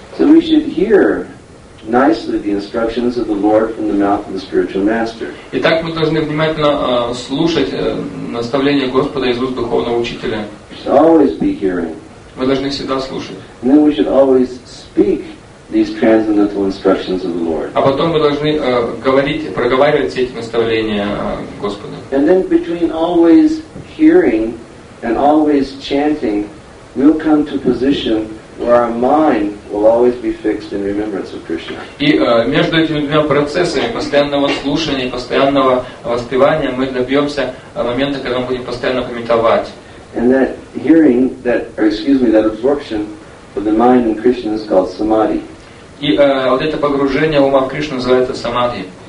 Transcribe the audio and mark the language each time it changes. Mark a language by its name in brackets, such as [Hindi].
[English] So we should hear nicely the instructions of the Lord from the mouth of the spiritual master. [Russian] Итак, мы должны внимательно слушать наставления Господа из уст духовного учителя. [English] We should always be hearing. [Russian] Мы должны всегда слушать. [English] And then we should always speak these transcendental instructions of the Lord. [Russian] А потом мы должны говорить, проговаривать все эти наставления Господа. [English] And then between always hearing and always chanting, we'll come to a position where our mind will always be fixed in remembrance of Krishna. [Russian] И между этими двумя процессами постоянного слушания, постоянного воспевания, мы добьемся момента, когда мы будем постоянно памятовать. [English] And that hearing, that absorption of the mind in Krishna is called samadhi. [Russian] И вот это погружение ума в Кришну называется самадхи.